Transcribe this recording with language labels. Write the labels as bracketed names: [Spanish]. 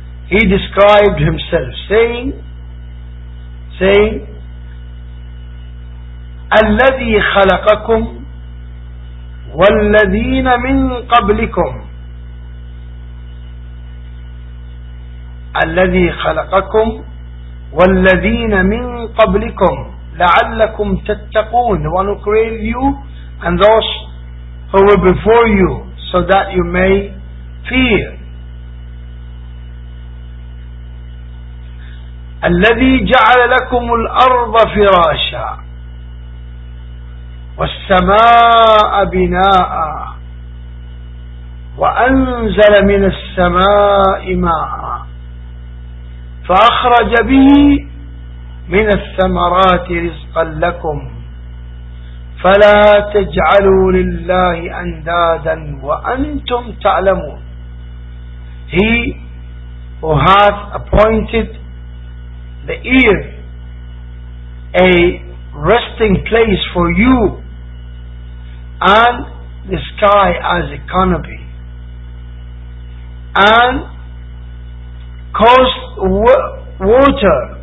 [English] He described himself saying, [Arabic] الذي خلقكم والذين من قبلكم الذي خلقكم والذين من قبلكم لعلكم تتقون. [English] The one who created you and those who were before you, so that you may fear. [Arabic] الذي جعل لكم الأرض فراشا والسماء بناء وأنزل من السماء ماء فأخرج به من الثمرات رزقا لكم فلا تجعلوا لله أندادا وأنتم تعلمون. [English] He who hath appointed the earth a resting place for you, and the sky as a canopy, and caused water